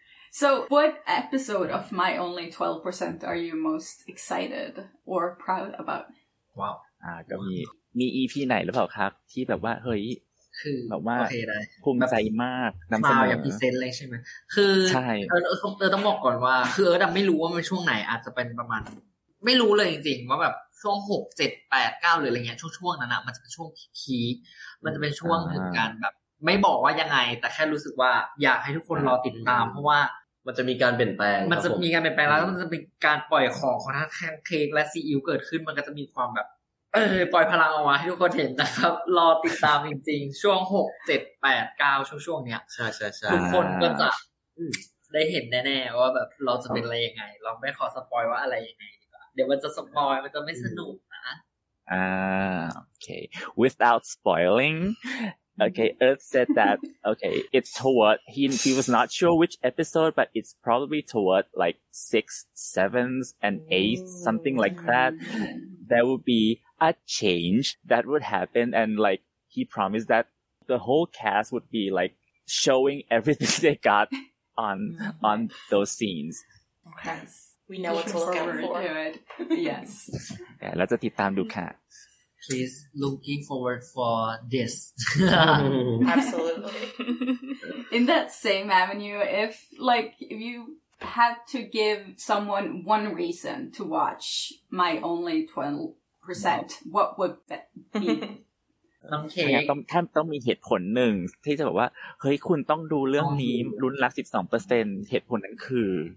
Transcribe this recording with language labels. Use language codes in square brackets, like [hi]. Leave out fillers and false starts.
[en] so what episode of my only 12% are you most excited or proud about wow [th] ก็มี EP ไหนหรือเปล่าครับที่แบบว่าเฮ้ย คือ แบบว่า โอเคได้ภูมิใจมากน ำเสนอมาอย่างพรีเซนต์เลยใช่ไหมคือเออต้องบอกก่อนว่าคือเออไม่รู้ว่ามันช่วงไหนอาจจะเป็นประมาณไม่รู้เลยจริงๆว่าแบบช่วง6 7 8 9หรืออะไรเงี้ยช่วงๆนั้นน่ะมันจะเป็นช่วงพีคมันจะเป็นช่วงถึงการแบบไม่บอกว่ายังไงแต่แค่รู้สึกว่าอยากให้ทุกคนรอติดตามเพราะว่ามันจะมีการเปลี่ยนแปลง มันจะมีการเปลี่ยนแปลงแล้วมันจะมีการปล่อยของทั้งแค้นเค้กและซีอิ๊วเกิดขึ้นมันก็จะมีความแบบปล่อยพลังออกมาให้ทุกคนเห็นนะครับรอติดตามจริงๆช่วง6 7 8 9ช่วงเนี้ย ใช่ๆๆ ทุกคนก็จะได้เห็นแน่ๆว่าแบบเราจะเป็นอะไรยังไงเราไม่ขอสปอยว่าอะไรยังไงดีกว่าเดี๋ยวมันจะสปอยมันจะไม่สนุกนะ [en] okay without spoiling okay Earth said that okay it's toward he was not sure which episode but it's probably toward like 6th, 7th, and 8th something like thatThere would be a change that would happen, and like he promised that the whole cast would be like showing everything they got on on those scenes. Yes, we know what to look out for. Yes. Yeah, let's just keep on looking. Please looking forward for this. Absolutely. In that same avenue, if you. Had to give someone one reason to watch my only 12%. No. What would that be? [th] ต้องแค่ต้องมีเหตุผลหนึ่งที่จะบอกว่าเฮ้ยคุณต้องดูเรื่องนี้ลุ้นรัก 12% เหตุผลนั้นคือ